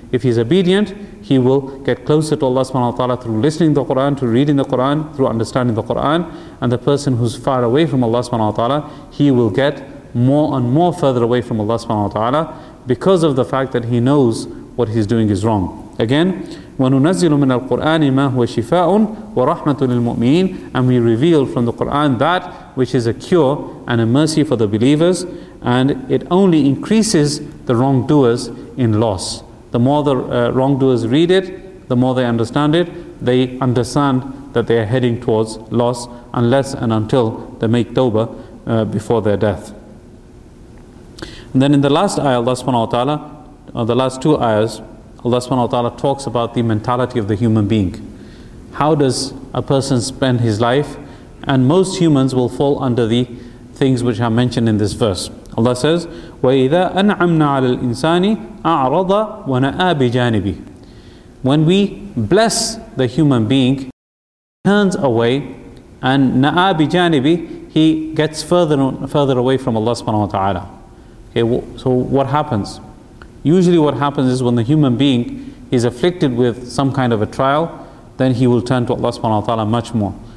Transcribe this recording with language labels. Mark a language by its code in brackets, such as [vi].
[en] If he's obedient, he will get closer to Allah subhanahu wa ta'ala through listening to the Quran, through reading the Quran, through understanding the Quran. And the person who's far away from Allah subhanahu wa ta'ala, he will get more and more further away from Allah subhanahu wa ta'ala because of the fact that he knows what he's doing is wrong. [ar] Again, وَنُنَزِّلُ مِنَ الْقُرْآنِ مَا هُوَ شِفَاءٌ وَرَحْمَةٌ لِلْمُؤْمِنِينَ. [en] And we reveal from the Quran that which is a cure and a mercy for the believers, and it only increases the wrongdoers in loss. The more the wrongdoers read it, the more they understand it, they understand that they are heading towards loss unless and until they make tawbah before their death. And then in the last ayah, Allah subhanahu wa ta'ala, the last two ayahs, Allah subhanahu wa ta'ala talks about the mentality of the human being. How does a person spend his life? And most humans will fall under the things which are mentioned in this verse. Allah says, [ar] وَإِذَا أَنْعَمْنَا عَلَى الْإِنسَانِ أَعْرَضَ وَنَآ بِجَانِبِهِ. [en] When we bless the human being, he turns away, and na'a bijanibi, he gets further and further away from Allah subhanahu wa ta'ala. Okay, so what happens? Usually what happens is when the human being is afflicted with some kind of a trial, then he will turn to Allah subhanahu wa ta'ala much more.